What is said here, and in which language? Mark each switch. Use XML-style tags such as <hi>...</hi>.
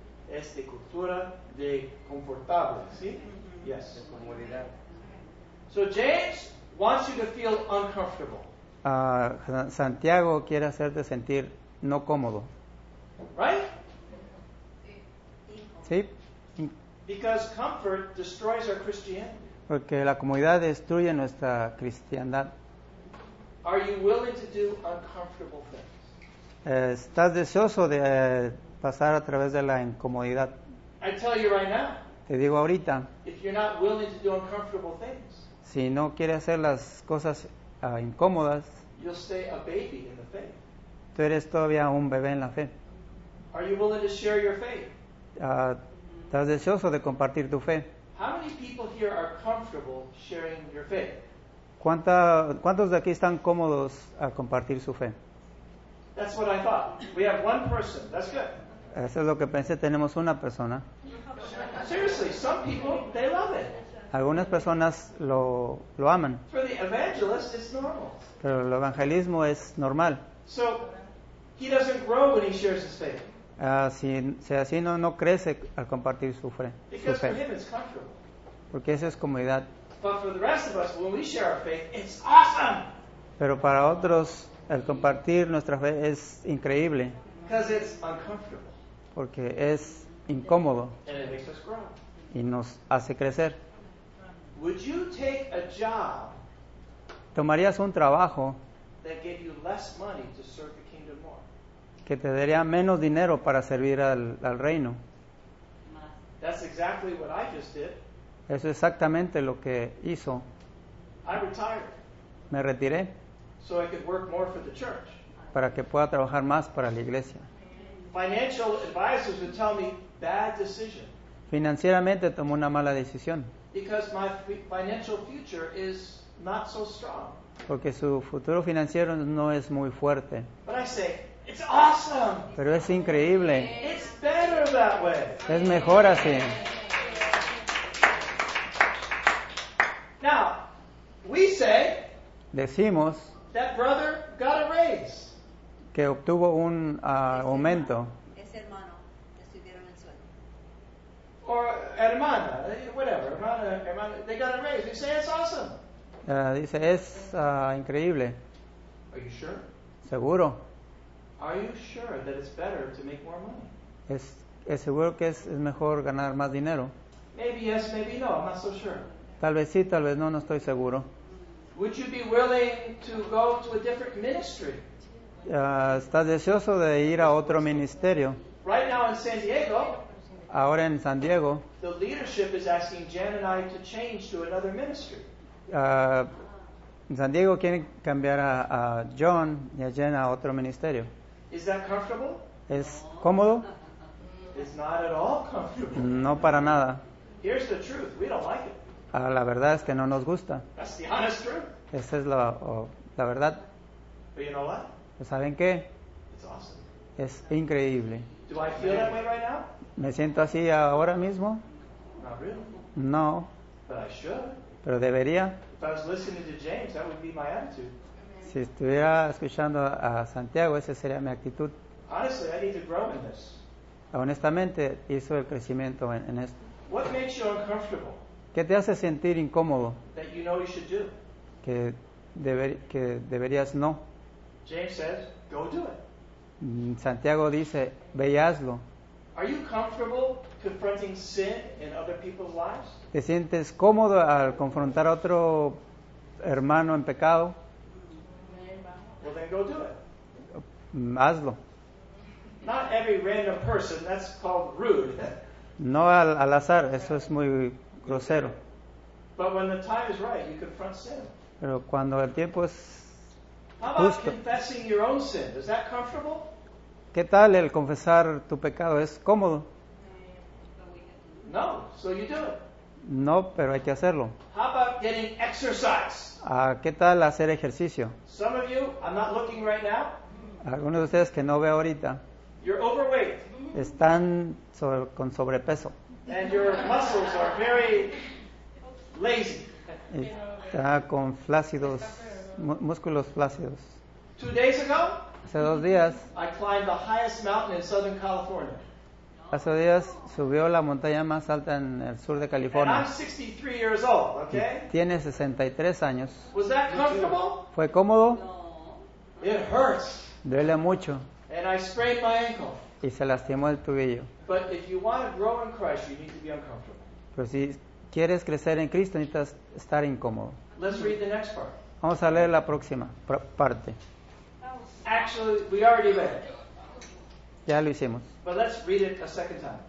<es>Esta cultura de confortable, ¿sí?</es> <en>Yes.</en> <es>De comodidad.</es> <en>So James wants you to feel uncomfortable.</en> <es>Santiago quiere hacerte sentir no cómodo.</es> <en>Right?</en> <es>Sí.</es> <en>Because comfort destroys our Christianity.</en> <es>Porque la comodidad destruye nuestra cristiandad.</es> <en>Are you willing to do uncomfortable things?</en> <es>¿Estás deseoso de pasar a través de la incomodidad?</es> <en>I tell you right now,</en> <es>te digo ahorita,</es> <en>if you're not willing to do uncomfortable things,</en> <es>si no quieres hacer las cosas incómodas,</es> <en>you'll stay a baby in the faith.</en> <es>Tú eres todavía un bebé en la fe.</es> <en>Are you willing to share your faith?</en> <es>¿Estás deseoso de compartir tu fe?</es> <en>How many people here are comfortable sharing your faith?</en> <es>¿Cuántos de aquí están cómodos a compartir su fe?</es> <en>That's what I thought. We have one person. That's good.</en> <es>Eso es lo que pensé. Tenemos una persona.</es> <en>Seriously, some people, they love it.</en> <es>Algunas personas lo aman.</es> <en>For the evangelist, it's normal.</en> <es>Pero el evangelismo es normal.</es> <en>So, he doesn't grow when he shares his faith.</en> <es>Si así no crece al compartir su fe.</es> <en>Because for him, it's comfortable.</en> <es>Porque esa es comodidad.</es> <en>But for the rest of us, when we share our faith, it's awesome.</en> <es>Pero para otros, el compartir nuestra fe es increíble.</es> <en>It's</en> <es>porque es incómodo.</es> <en>And it makes us grow.</en> <es>Y nos hace crecer.</es> <en>Would you take a job,</en> <es>¿tomarías un trabajo</es> <en>that gave you less money to serve the kingdom more?</en> <es>que te daría menos dinero para servir al reino.</es> <en>That's exactly what I just did.</en> <es>Eso es exactamente lo que hizo.</es> <en>I retired.</en> <es>Me retiré.</es> <en>So I could work more for the church.</en> <es>Para que pueda trabajar más para la iglesia.</es> <en>Financial advisors would tell me bad decision.</en> <es>Financieramente tomó una mala decisión.</es> <en>Because my financial future is not so strong.</en> <es>Porque su futuro financiero no es muy fuerte.</es> <en>But I say, it's awesome.</en> <es>Pero es increíble.</es> <en>It's better that way.</en> <es>Es mejor así.</es> <en>Now, we say,</en> <es>decimos,</es> <en>that brother got a raise.</en> <es>Que obtuvo un aumento. Ese hermano estuvieron en sueldo.</es> <en>Or hermana, whatever, hermana, they got a raise. You say it's awesome.</en> <es>Dice es increíble.</es> <en>Are you sure?</en> <es>Seguro.</es> <en>Are you sure that it's better to make more money?</en> <es>Es seguro que es mejor ganar más dinero.</es> <en>Maybe yes, maybe no. I'm not so sure.</en> <es>Tal vez sí, tal vez no. No estoy seguro.</es> <en>Would you be willing to go to a different ministry?</en> <es>¿Estás deseoso de ir a otro ministerio?</es> <en>Right now in San Diego,</en> <es>ahora en San Diego,</es> <en>the leadership is asking Jan and I to change to another ministry.</en> <es>En San Diego quieren cambiar a John y a Jen a otro ministerio.</es> <en>Is that comfortable?</en> <es>¿Es cómodo?</es> <en>It's not at all comfortable.</en> <es>No para nada.</es> <en>Here's the truth. We don't like it.</en> <es>La verdad es que no nos gusta.</es> <en>That's the honest truth.</en> <es>Esa es la verdad.</es> <en>But you know what?</en> <es>¿Saben qué?</es> <en>It's awesome.</en> <es>Es increíble.</es> <en>Do I feel that way right now?</en> <es>¿Me siento así ahora mismo?</es> <en>Not really.</en> <es>No.</es> <en>But I should.</en> <es>Pero debería.</es> <en>If I was listening to James, that would be my attitude.</en> <es>Si estuviera escuchando a Santiago, esa sería mi actitud.</es> <en>Honestly, I need to grow in this.</en> <es>Honestamente, hizo el crecimiento en esto.</es> <en>What makes you uncomfortable?</en> <es>¿Qué te hace sentir incómodo?</es> <en>That you know you should do.</en> <es>Que deberías no.</es> <en>James says, go do it.</en> <es>Santiago dice, ve y hazlo.</es> <en>Are you comfortable confronting sin in other people's lives?</en> <es>¿Te sientes cómodo al confrontar a otro hermano en pecado?</es> <en>Well, then go do it.</en> <es>Hazlo.</es> <en>Not every random person, that's called rude.</en> <es>No al azar, eso es muy grosero.</es> <en>But when the time is right, you confront sin.</en> <es>Pero cuando el tiempo es</es> <en>How</en> <es>justo.</es> <en>About confessing your own sin? Is that comfortable?</en> <es>¿Qué tal el confesar tu pecado? ¿Es cómodo?</es> <en>No, so you do it.</en> <es>No, pero hay que hacerlo.</es> <en>How about getting exercise?</en> <es>¿Qué tal hacer ejercicio?</es> <en>Some of you, I'm not looking right now.</en> <es>Algunos de ustedes que no veo ahorita.</es> <en>You're overweight.</en> <es>Están con sobrepeso.</es> <en>And your muscles are very lazy.</en> <es>Está con flácidos, músculos flácidos.</es> <en>2 days ago,</en> <es>hace 2 días,</es> <en>I climbed the highest mountain in Southern California.</en> <es>Hace 2 días subió la montaña más alta en el sur de California.</es> <en>And I'm 63 years old, okay?</en> <es>Tiene 63 años.</es> <en>Was that comfortable?</en> <es>¿Fue cómodo?</es> <en>No. It hurts.</en> <es>Duele mucho.</es> <en>And I sprained my ankle.</en> <es>Y se lastimó el tobillo.</es> <en>But if you want to grow in Christ, you need to be uncomfortable.</en> <es>Pero si quieres crecer en Cristo, necesitas estar incómodo.</es> <en>Let's read the next part.</en> <es>Vamos a leer la próxima parte.</es> <en>Actually, we already read it.</en> <es>Ya lo hicimos.</es> <en>But let's read it a second time.</en>